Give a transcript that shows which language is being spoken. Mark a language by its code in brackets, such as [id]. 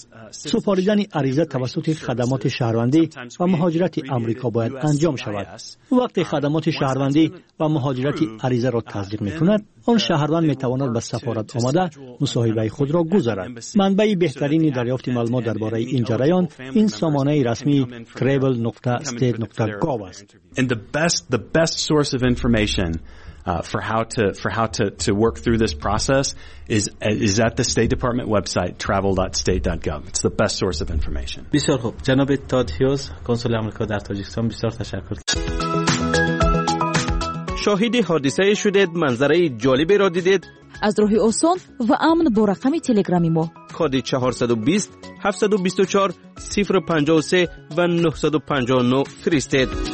[fa] سپاریدن عریضه توسط خدمات شهروندی و مهاجرت آمریکا باید انجام شود. وقتی خدمات شهروندی و مهاجرت عریضه را تصدیق میکند، آن شهروند میتواند به سفارت آمده مصاحبه خود را گذارد. منبع بهترین دریافت معلومات درباره این جریان این سامانه رسمی travel.state.gov است. [en] And the best source of information for how to work through this process is at the State Department website travel.state.gov. It's the best source of information. [fa] بسیار خوب، جناب تاد هیوز، کنسول آمریکا در تاجیکستان، بسیار تشکر. شاهد حادثه شدید، منظره جالبی را دیدید. از راه آسان و امن با رقم تلگرامی ما کد 420 724 053 و 959 فرستید.